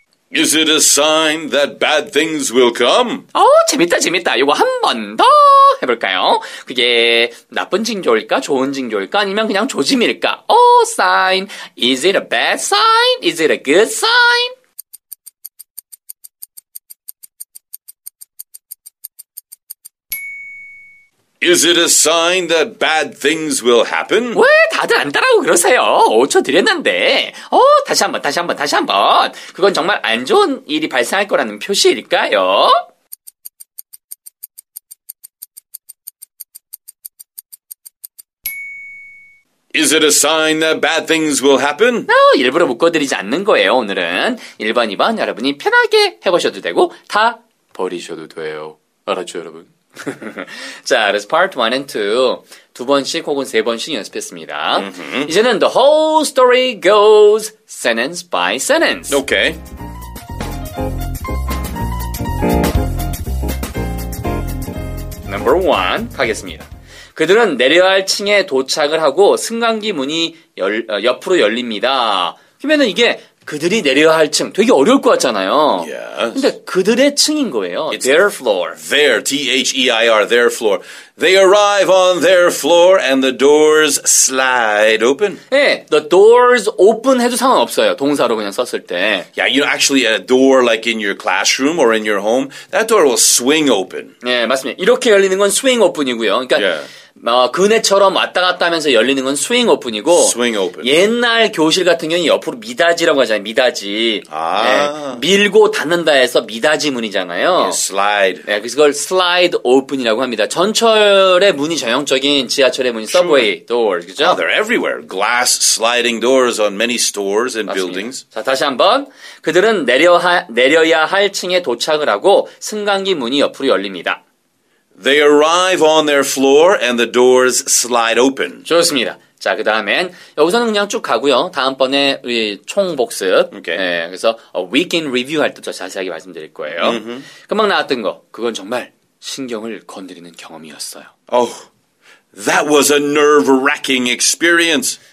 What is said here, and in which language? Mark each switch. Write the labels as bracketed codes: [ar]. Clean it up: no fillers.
[en] Is it a sign that bad things will come? [ko] 재밌다, 재밌다. 이거 한 번 더 해볼까요? 그게 나쁜 징조일까, 좋은 징조일까, 아니면 그냥 조짐일까? [en] Sign. Is it a bad sign? Is it a good sign? Is it a sign that bad things will happen? [ko] 왜 다들 안 따라오고 그러세요? 5초 드렸는데. 다시 한 번, 다시 한 번, 다시 한 번. 그건 정말 안 좋은 일이 발생할 거라는 표시일까요? [en] Is it a sign that bad things will happen? [ko] 일부러 묶어드리지 않는 거예요, 오늘은. 1번, 2번 여러분이 편하게 해보셔도 되고 다 버리셔도 돼요. 알았죠, 여러분? 자, 그래서 [en] part 1 and 2 [ko] 두 번씩 혹은 세 번씩 연습했습니다. Mm-hmm. 이제는 [en] the whole story goes sentence by sentence. Okay. [ko] 1. 가겠습니다. 그들은 내려야 할 층에 도착을 하고 승강기 문이 옆으로 열립니다. 그러면은 이게 그들이 내려야 할 층. 되게 어려울 것 같잖아요. [en] Yes. [ko] 근데 그들의 층인 거예요. [en] It's their floor. Their, T-H-E-I-R, their floor. They arrive on their floor and the doors slide open. [ko] 네, [en] the doors open [ko] 해도 상관없어요. 동사로 그냥 썼을 때. [en] Yeah, you know, actually a door like in your classroom or in your home, that door will swing open. [ko] 네, 맞습니다. 이렇게 열리는 건 swing open이고요. 그러니까 [en] yeah. [ko] 그네처럼 왔다 갔다 하면서 열리는 건 스윙 오픈이고 스윙 오픈. 옛날 교실 같은 경우는 옆으로 미닫이라고 하잖아요. 미닫이. 아. 네, 밀고 닫는다 해서 미닫이 문이잖아요. 네, 슬라이드. 네, 그래서 그걸 슬라이드 오픈이라고 합니다. 전철의 문이 전형적인 지하철의 문이 [en] sure. Subway doors. [ko] 그렇죠? [en] Oh, they're everywhere. Glass sliding doors on many stores and [ko] 맞습니다. [en] buildings. [ko] 자, 다시 한번. 그들은 내려야 할 층에 도착을 하고 승강기 문이 옆으로 열립니다. [en] They arrive on their floor and the doors slide open. [ko] 좋습니다. 자, 그 다음엔 여기서는 그냥 쭉 가고요. 다음번에 우리 총복습. [en] Okay. [ko] 네, 그래서 [en] a week in review [ko] 할 때 더 자세하게 말씀드릴 거예요. Mm-hmm. 금방 나왔던 거. 그건 정말 신경을 건드리는 경험이었어요. [en] Oh, that was a nerve-wracking experience.